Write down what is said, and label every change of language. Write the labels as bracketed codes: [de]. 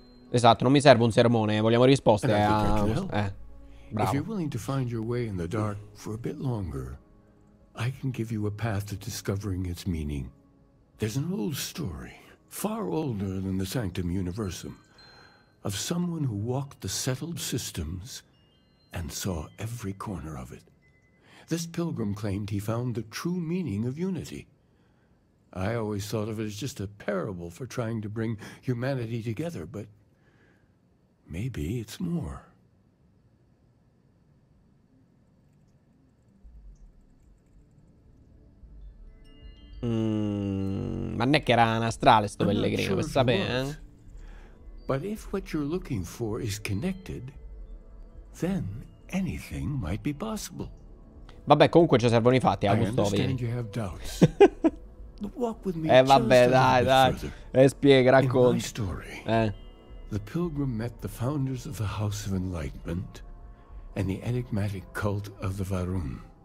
[it] esatto, non mi serve un sermone, vogliamo risposte a... Bravo. [en] If you're willing to find your way in the dark for a bit longer, I can give you a path to discovering its meaning. There's an old story, far older than the Sanctum Universum, of someone who walked the settled systems and saw every corner of it. This pilgrim claimed he found the true meaning of unity. I always thought of it as just a parable for trying to bring humanity together, but maybe it's more. [it] Ma non è che era un astrale sto pellegrino, per sapere, eh? [en] But if what you're looking for is connected, then anything might be possible. [it] Vabbè, comunque ci servono i fatti, Augusto. [en] I understand you have doubts. Walk with me. [it] Vabbè, dai. Spiega, racconta. [en] In my story, the pilgrim met the founders of the House of Enlightenment and the enigmatic cult of the Varun.